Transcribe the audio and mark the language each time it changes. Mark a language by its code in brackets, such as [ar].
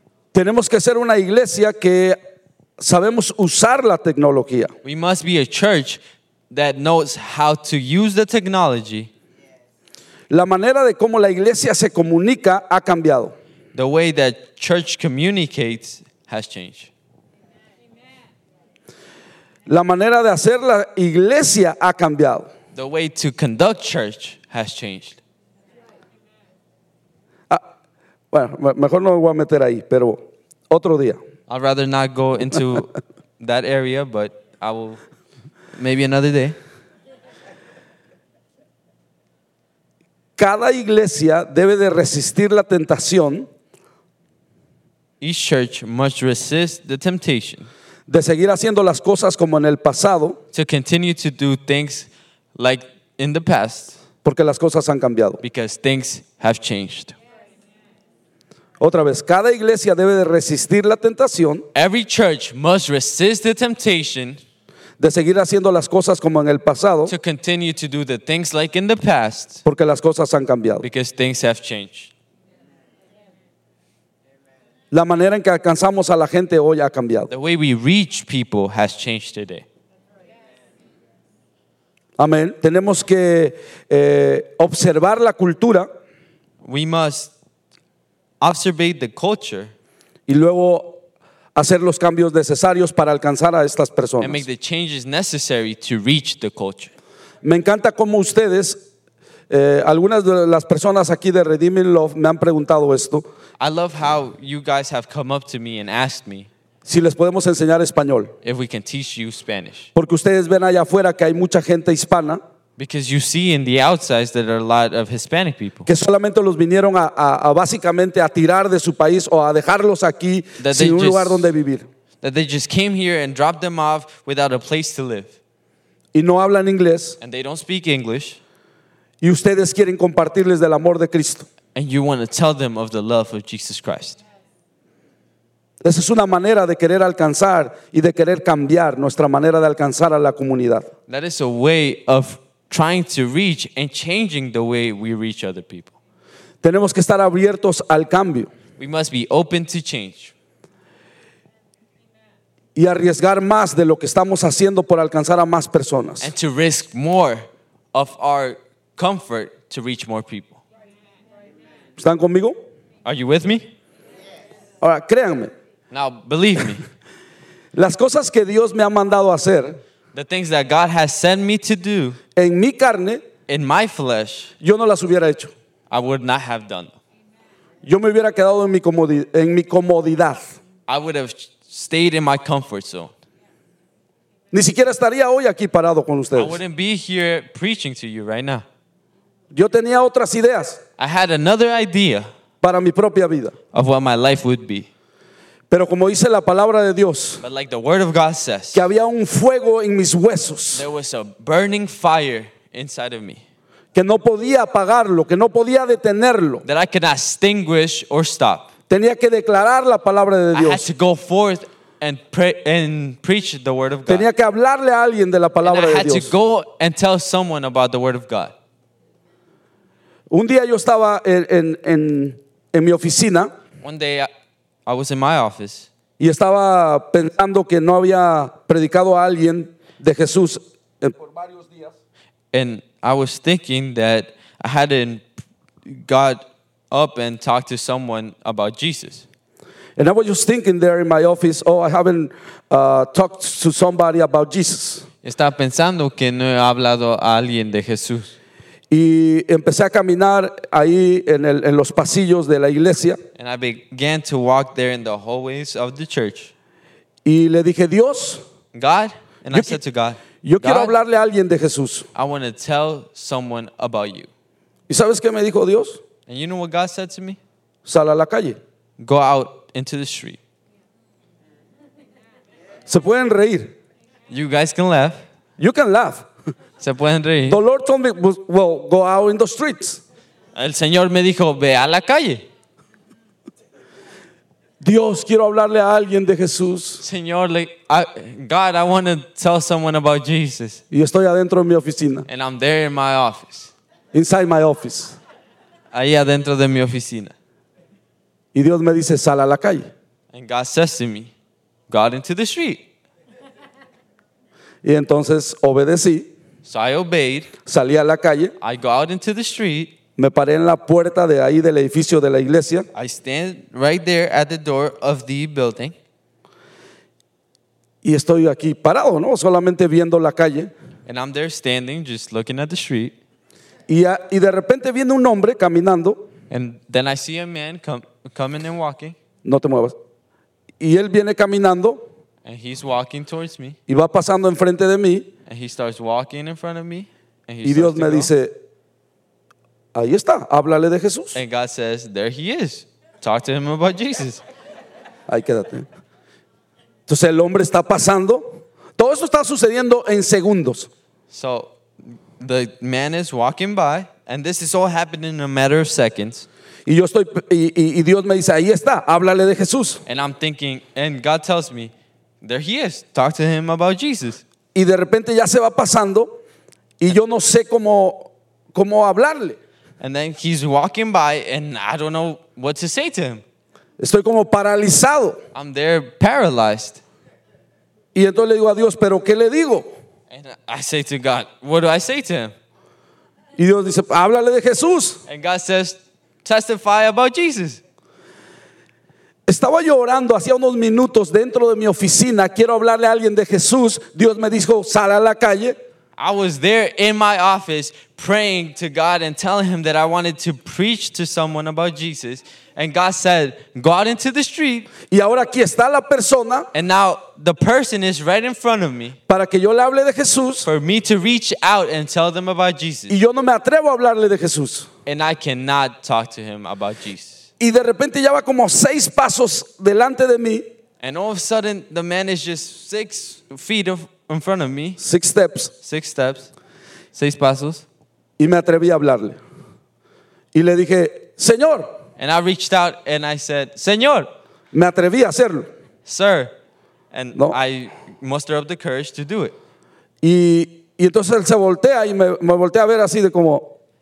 [es] Tenemos que ser una iglesia que sabemos usar la tecnología. [en] We must be a church that knows how to use the technology. [es] La manera de cómo la iglesia se comunica ha cambiado. [en] The way that church communicates has changed. [es] La manera de hacer la iglesia ha cambiado. [en] The way to conduct church has changed. [es] Bueno, mejor no me voy a meter ahí, pero otro día. [en] I'd rather not go into that area, but I will maybe another day. [es] Cada iglesia debe de resistir la tentación. [en] Each church must resist the temptation. [es] De seguir haciendo las cosas como en el pasado. [en] To continue to do things like in the past. [es] Porque las cosas han cambiado. [en] Because things have changed. [es] Otra vez, cada iglesia debe de resistir la tentación. [en] Every church must resist the temptation. [es] De seguir haciendo las cosas como en el pasado. [en] To continue to do the things like in the past. [es] Porque las cosas han cambiado. [en] Because things have changed. [es] La manera en que alcanzamos a la gente hoy ha cambiado. [en] The way we reach people has changed today. [es] Amén. Tenemos que observar la cultura. [en] We must observe the culture. [es] Y luego hacer los cambios necesarios para alcanzar a estas personas. [en] And make the changes necessary to reach the culture. [es] Me encanta cómo ustedes, algunas de las personas aquí de Redeeming Love me han preguntado esto. [en] I love how you guys have come up to me and asked me. [es] Si les podemos enseñar español. [en] If we can teach you Spanish. [es] Porque ustedes ven allá afuera que hay mucha gente hispana. [en] Because you see in the outsides that there are a lot of Hispanic people. [es] Que solamente los vinieron a básicamente a tirar de su país o a dejarlos aquí sin un lugar donde vivir. [en] That they just came here and dropped them off without a place to live. [es] Y no hablan inglés. [en] And they don't speak English. [es] Y ustedes quieren compartirles del amor de Cristo. [en] And you want to tell them of the love of Jesus Christ. [es] Esa es una manera de querer alcanzar y de querer cambiar nuestra manera de alcanzar a la comunidad. [en] That is a way of trying to reach and changing the way we reach other people. [es] Tenemos que estar abiertos al cambio. [en] We must be open to change. [es] Y arriesgar más de lo que estamos haciendo por alcanzar a más personas. [en] And to risk more of our comfort to reach more people. [es] ¿Están conmigo? [en] Are you with me? [es] Ahora, créanme. [en] Now, believe me. [es] Las cosas que Dios me ha mandado hacer. [en] The things that God has sent me to do. [es] En mi carne. [en] In my flesh. [es] Yo no las hubiera hecho. [en] I would not have done. [es] Yo me hubiera quedado en mi comodidad. [en] I would have stayed in my comfort zone. [es] Ni siquiera estaría hoy aquí parado con ustedes. [en] I wouldn't be here preaching to you right now. [es] Yo tenía otras ideas. [en] I had another idea. [es] Para mi propia vida. [en] Of what my life would be. [es] Pero como dice la palabra de Dios. [en] But like the word of God says. [es] Que había un fuego en mis huesos. [en] There was a burning fire inside of me. [es] Que no podía apagarlo, que no podía detenerlo. [en] That I could not extinguish or stop. [es] Tenía que declarar la palabra de Dios. [en] I had to go forth and preach the word of God. [es] Tenía que hablarle a alguien de la palabra de Dios. [en] I had to go and tell someone about the word of God. [es] Un día yo estaba en mi oficina. [en] One day I was in my office. [es] Y estaba pensando que no había predicado a alguien de Jesús por varios días. [en] And I was thinking that I hadn't got up and talked to someone about Jesus. And I was just thinking there in my office, oh, I haven't talked to somebody about Jesus. [es] Estaba pensando que no he hablado a alguien de Jesús. Y empecé a caminar ahí en los pasillos de la iglesia. [en] And I began to walk there in the hallways of the church. [es] Y le dije, Dios. [en] God. And I said to God. [es] Yo quiero hablarle a alguien de Jesús. [en] I want to tell someone about you. [es] ¿Y sabes qué me dijo Dios? [en] And you know what God said to me? [es] Sal a la calle. [en] Go out into the street. [es] Se pueden reír. [en] You guys can laugh. You can laugh. [es] Se pueden reír. [en] The Lord told me, well, go out in the streets. [es] El Señor me dijo, ve a la calle. Dios, quiero hablarle a alguien de Jesús. [en] Señor, God, I want to tell someone about Jesus. [es] Y estoy adentro en mi oficina. [en] And I'm there in my office. Inside my office. [es] Ahí adentro de mi oficina. Y Dios me dice, sal a la calle. [en] And God says to me, go out into the street. [es] Y entonces obedecí. [en] So I obeyed. [es] Salí a la calle. [en] I go out into the street. [es] Me paré en la puerta de ahí del edificio de la iglesia. [en] I stand right there at the door of the building. [es] Y estoy aquí parado, ¿no? Solamente viendo la calle. [en] And I'm there standing, just looking at the street. [es] Y de repente viene un hombre caminando. [en] And then I see a man coming and walking. [es] No te muevas. Y él viene caminando. [en] And he's walking towards me. [es] Y va pasando enfrente de mí. [en] And he starts walking in front of me. And he [es] y Dios me dice, ahí está, háblale de Jesús. [en] And God says, there he is. Talk to him about Jesus. [es] Ahí quédate. Entonces el hombre está pasando. Todo eso está sucediendo en segundos. [en] So the man is walking by, and this is all happening in a matter of seconds. [es] Y yo estoy, y Dios me dice, ahí está, háblale de Jesús. [en] And I'm thinking, and God tells me, there he is. Talk to him about Jesus. [es] Y de repente ya se va pasando, y yo no sé cómo hablarle. [en] And then he's walking by, and I don't know what to say to him. [es] Estoy como paralizado. [en] I'm there paralyzed. [es] Y entonces le digo a Dios, ¿pero qué le digo? [en] And I say to God, what do I say to him? [es] Y Dios dice, háblale de Jesús. [en] And God says, testify about Jesus. [es] Estaba llorando hacía unos minutos dentro de mi oficina. Quiero hablarle a alguien de Jesús. Dios me dijo, sal a la calle. [en] I was there in my office praying to God and telling him that I wanted to preach to someone about Jesus. And God said, go out into the street. [es] Y ahora aquí está la persona. [en] And now the person is right in front of me. [es] Para que yo le hable de Jesús. [en] For me to reach out and tell them about Jesus. [es] Y yo no me atrevo a hablarle de Jesús. [en] And I cannot talk to him about Jesus. [es] Y de repente ya va como seis pasos delante de mí. [en] And all of a sudden the man is just 6 feet in front of me. Six steps. [es] Seis pasos. Y me atreví a hablarle. Y le dije, Señor. [en] And I reached out and I said, Señor. [es] Me atreví a hacerlo. [en] Sir. And no. I mustered up the courage to do it. [es] Y entonces él se voltea y me voltea a ver así de como.